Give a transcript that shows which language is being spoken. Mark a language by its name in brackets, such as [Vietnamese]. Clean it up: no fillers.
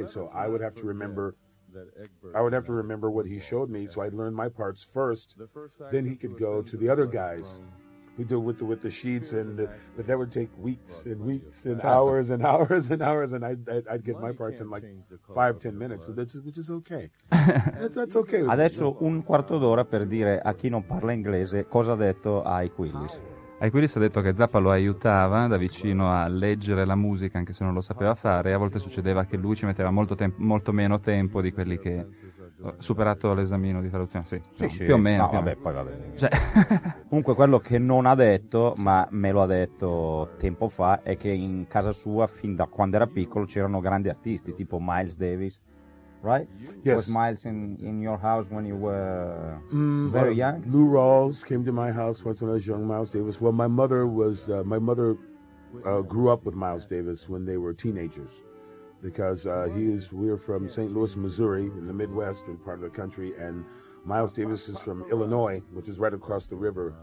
[English] Well, so I would have to remember I would have to remember what he showed me, so I'd learn my parts first. Then he could go to the other guys who do with the sheets, but that would take weeks and hours and hours and hours, and I'd get my parts in like 5-10 minutes, which is okay. That's okay. [Italian] Adesso un quarto d'ora per dire a chi non parla inglese cosa ha detto Ike Willis. Ike Willis ha detto che Zappa lo aiutava da vicino a leggere la musica, anche se non lo sapeva fare, e a volte succedeva che lui ci metteva molto meno tempo di quelli che... Superato l'esamino di traduzione, Cioè... Comunque, quello che non ha detto, ma me lo ha detto tempo fa, è che in casa sua, fin da quando era piccolo, c'erano grandi artisti, tipo Miles Davis. [English] Right? Yes. Was Miles in your house when you were very young? Lou Rawls came to my house once when I was young. Miles Davis. Well, my mother grew up with Miles Davis when they were teenagers, because we're from St. Louis, Missouri, in the Midwest, in part of the country, and Miles Davis is from Illinois, which is right across the river.